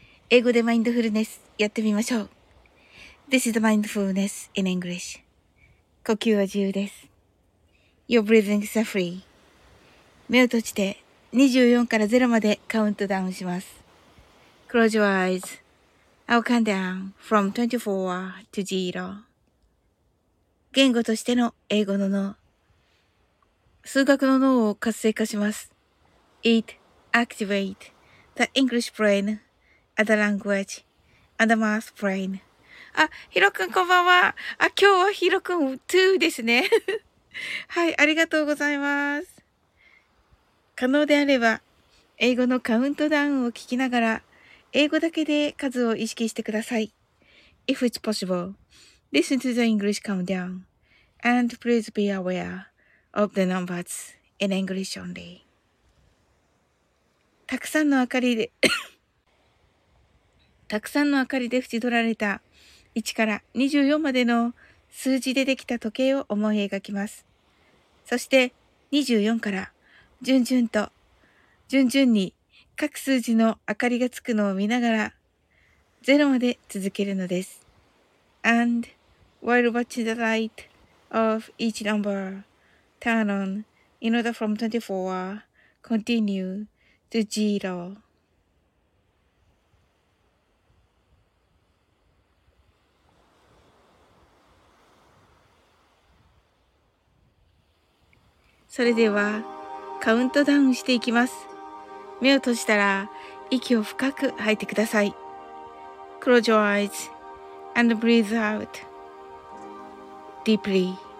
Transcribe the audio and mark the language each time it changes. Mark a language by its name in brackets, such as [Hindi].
[Japanese] 英語でマインドフルネスやってみましょう。 [English] This is mindfulness in English. [Japanese] 呼吸は自由です。 [English] Your breathing is free. [Japanese] 目を閉じて24から0までカウントダウンします。 [English] Close your eyes. I'll count down from 24 to 0. [Japanese] 言語としての英語の脳。数学の脳を活性化します。 [English] EatActivate the English brain and the language and the math brain. [Japanese] あ、ヒロ君こんばんは。あ、今日はヒロ君2ですね。はい、ありがとうございます。可能であれば、英語のカウントダウンを聞きながら、英語だけで数を意識してください。 [English] If it's possible, listen to the English countdown and please be aware of the numbers in English only. [Japanese] たくさんの明かりで たくさんの明かりで縁取られた1から24までの数字でできた時計を思い描きます。そして24から順々と順々に各数字の明かりがつくのを見ながら0まで続けるのです。 [English] And while watching the light of each number turn on in order from 24 continueto zero. [Japanese] それではカウントダウンしていきます。目を閉じたら息を深く吐いてください。 [English] Close your eyes and breathe out deeply.